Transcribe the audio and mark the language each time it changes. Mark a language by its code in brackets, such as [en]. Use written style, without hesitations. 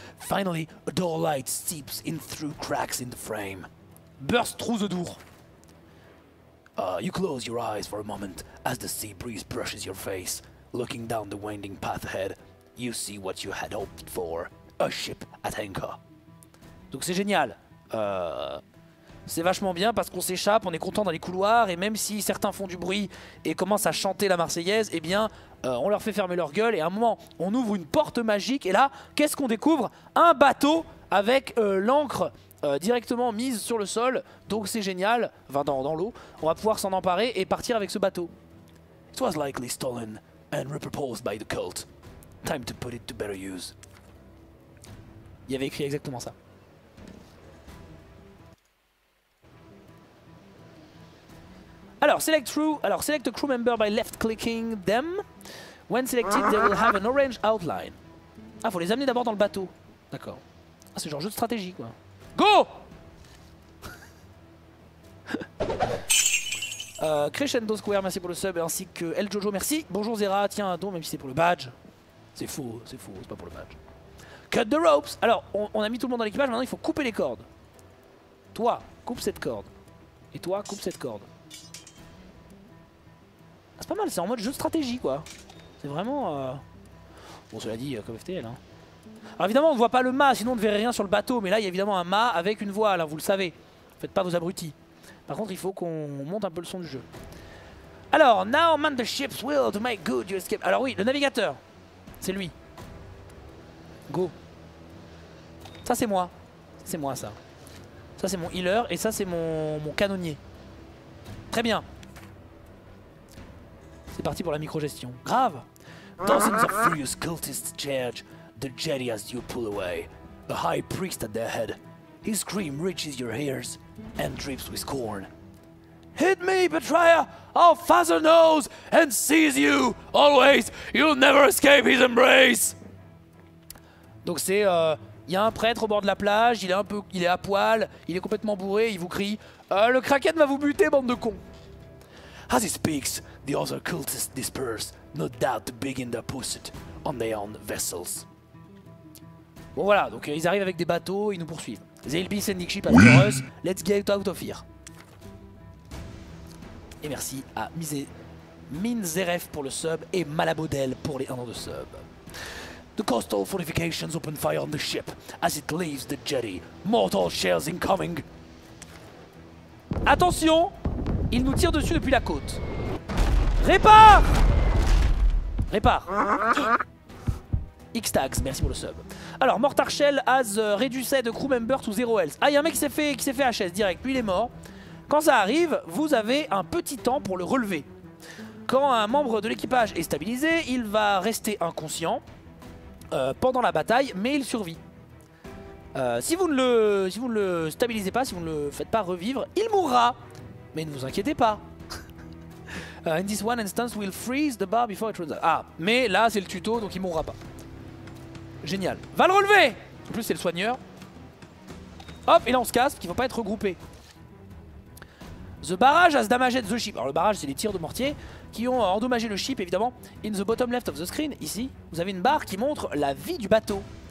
[en] Finally, a door light seeps in through cracks in the frame. Burst through the door. You close your eyes for a moment as the sea breeze brushes your face. Looking down the winding path ahead, you see what you had hoped for. A ship at anchor. [fr] Donc c'est génial. C'est vachement bien parce qu'on s'échappe, on est content dans les couloirs et même si certains font du bruit et commencent à chanter la Marseillaise, eh bien, on leur fait fermer leur gueule et à un moment, on ouvre une porte magique et là, qu'est-ce qu'on découvre ? Un bateau avec l'ancre directement mise sur le sol. Donc c'est génial, enfin dans l'eau, on va pouvoir s'en emparer et partir avec ce bateau. [en] It was likely stolen and repurposed by the cult. Time to put it to better use. [fr] Il y avait écrit exactement ça. [en] Alors, select a crew member by left-clicking them. When selected, they will have an orange outline. [fr] Ah, faut les amener d'abord dans le bateau. D'accord. Ah, c'est genre jeu de stratégie, quoi. Go! Crescendo Square, merci pour le sub, ainsi que El Jojo, merci. Bonjour Zera, tiens un don, même si c'est pour le badge. C'est faux, c'est pas pour le badge. [en] Cut the ropes! [fr] Alors, on a mis tout le monde dans l'équipage, maintenant il faut couper les cordes. Toi, coupe cette corde. Et toi, coupe cette corde. C'est pas mal, c'est en mode jeu de stratégie quoi. C'est vraiment. Bon, cela dit, comme FTL. Hein. Alors, évidemment, on voit pas le mât, sinon on ne verrait rien sur le bateau. Mais là, il y a évidemment un mât avec une voile, hein, vous le savez. Faites pas vos abrutis. Par contre, il faut qu'on monte un peu le son du jeu. [en] Alors, now man the ship's will to make good your escape. [fr] Alors, oui, le navigateur. C'est lui. Go. Ça, c'est moi. C'est moi, ça. Ça, c'est mon healer et ça, c'est mon canonnier. Très bien. C'est parti pour la micro-gestion. Grave! [en] Dozens of furious cultists charge the jetty as you pull away. The high priest at their head. His scream reaches your ears and drips with scorn. Hit me, betrayer! Our father knows and sees you! Always! You'll never escape his embrace! [fr] Donc c'est... Il y a un prêtre au bord de la plage, il est un peu... Il est à poil, il est complètement bourré, il vous crie le Kraken va vous buter, bande de cons! [en] As he speaks, the other cultists disperse, no doubt to begin their pursuit on their own vessels. [fr] Bon voilà, donc ils arrivent avec des bateaux, ils nous poursuivent. [en] They'll be sending ship as for us, let's get out of here. [fr] Et merci à Minzeref pour le sub et Malabodel pour les 1 an de sub. [en] The coastal fortifications open fire on the ship as it leaves the jetty. Mortal shells incoming. Attention! [fr] Il nous tire dessus depuis la côte. Répare! Répare. X-Tags, merci pour le sub. Alors, [en] Mortar Shell has reduced crew member to zero health. [fr] Ah, il y a un mec qui s'est fait HS direct, puis il est mort. Quand ça arrive, vous avez un petit temps pour le relever. Quand un membre de l'équipage est stabilisé, il va rester inconscient pendant la bataille, mais il survit. Si vous ne le stabilisez pas, si vous ne le faites pas revivre, il mourra. Mais ne vous inquiétez pas. [en] In this one instance, we'll freeze the bar before it runs out. [fr] Ah, mais là, c'est le tuto, donc il mourra pas. Génial. Va le relever! En plus, c'est le soigneur. Hop, et là, on se casse, qu'il faut pas être regroupé. [en] The barrage has damaged the ship. [fr] Alors, le barrage, c'est les tirs de mortier qui ont endommagé le ship, évidemment. [en] In the bottom left of the screen, [fr] ici, vous avez une barre qui montre la vie du bateau.